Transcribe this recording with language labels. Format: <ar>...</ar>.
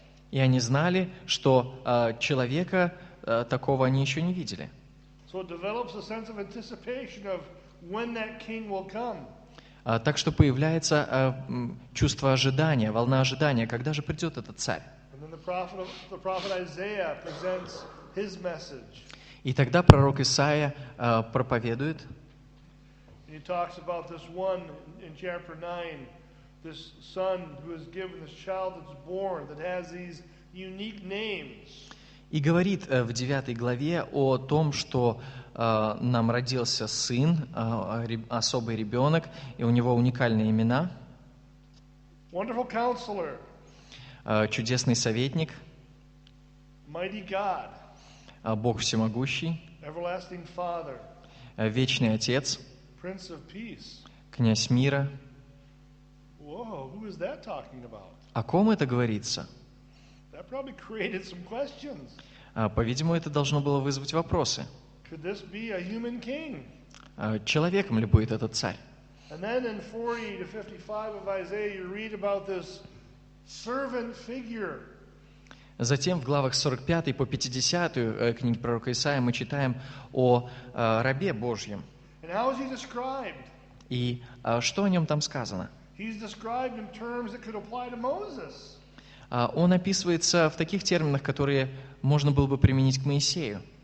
<ru>И они знали, что человека такого они еще не видели.</ru> <en>So it develops a sense of anticipation of when that king will come.</en> <ru>Так что появляется чувство ожидания, волна ожидания, когда же придет этот царь.</ru> <en>And then the prophet Isaiah presents his message.</en> <ru>И тогда пророк Исаия проповедует.</ru> <en>And he talks about this one in chapter 9, this son who is given, this child that's born, that has these unique names.</en> <ru>И говорит в 9 главе о том, что нам родился сын, особый ребенок, и у него уникальные имена.</ru> <en>Wonderful counselor.</en> <ru>Чудесный советник.</ru> <en>Mighty God.</en> <ru>Бог всемогущий.</ru> <en>Everlasting Father.</en> <ru>Вечный отец.</ru> <en>Prince of Peace.</en> <ru>Князь мира.</ru> <en>Whoa, who is that talking about?</en> <ru>О ком это говорится?</ru> <en>That probably created some questions.</en> <ru>По-видимому, это должно было вызвать вопросы.</ru> <en>Could this be a human king?</en> <ru>Человеком ли будет этот царь?</ru> <en>And then in 40 to 55 of Isaiah, you read about this servant figure.</en> <ru>Затем в главах 45 по 50 книги пророка Исаии мы читаем о рабе Божьем.</ru> <en>And how is he described?</en> <ru>И что о нем там сказано?</ru> <en>He's described in terms that could apply to Moses.</en> <ru>Он описывается в таких терминах, которые можно было бы применить к Моисею.</ru>